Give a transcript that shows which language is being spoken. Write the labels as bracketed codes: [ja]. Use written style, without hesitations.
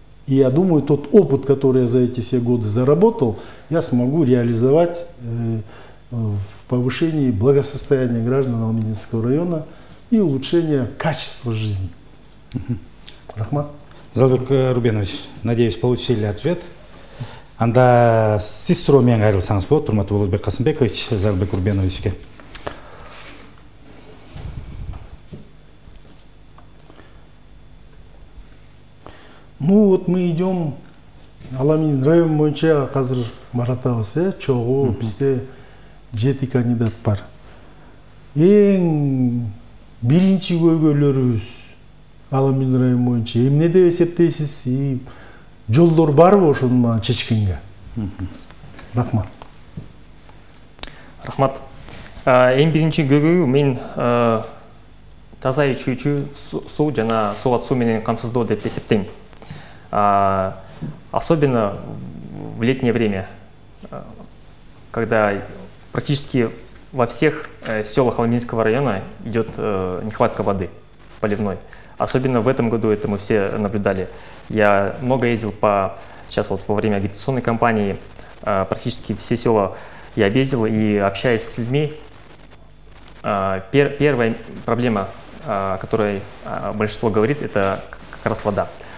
[ru] И я думаю, тот опыт, который я за эти все годы заработал, я смогу реализовать в повышении благосостояния граждан Алмединского района и улучшении качества жизни. [ky] Рахмат. [ru] Залбек Рубенович, надеюсь, получили ответ. [ky] Анда сиз суроо менен кайрылсаңыз болот, урматтуу Улукбек Касымбекович, Залбек Рубеновичке. [ru] Ну вот мы идем, [ky] Аламинин район боюнча азыр баратабыз, чогу бизде 7 кандидат бар. Эң биринчи көйгөйлөрүбүз Аламинин район боюнча эмне деп эсептейсиз? Жолдор барбы ошону менен чечкенге? Рахмат. Рахмат. Эң биринчи көйгөйү мен таза ичүүчү суу жана суугат суу менен камсыздоо деп эсептейм. [ru] Особенно в летнее время, когда практически во всех селах Алмединского района идет нехватка воды поливной. Особенно в этом году это мы все наблюдали. Я много ездил сейчас вот во время агитационной кампании, практически все села я объездил, и общаясь с людьми, первая проблема, о которой большинство говорит, это как раз вода.